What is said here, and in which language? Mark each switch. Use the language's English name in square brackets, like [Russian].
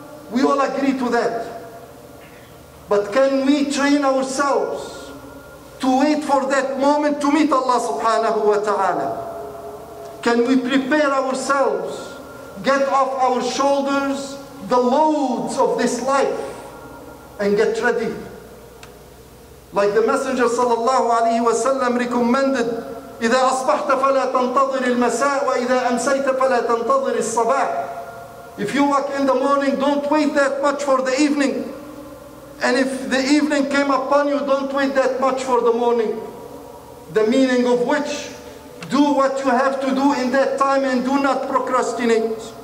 [English] We all agree to that. But can we train ourselves to wait for that moment to meet Allah subhanahu wa ta'ala? Can we prepare ourselves, get off our shoulders the loads of this life and get ready? Like the Messenger sallallahu alayhi wa sallam recommended, [Arabic] إِذَا أَصْبَحْتَ فَلَا تَنْتَظِرِ الْمَسَاءِ وَإِذَا أَمْسَيْتَ فَلَا تَنْتَظِرِ الصَّبَاحِ. [English] If you walk in the morning, don't wait that much for the evening. And if the evening came upon you, don't wait that much for the morning. The meaning of which, do what you have to do in that time and do not procrastinate.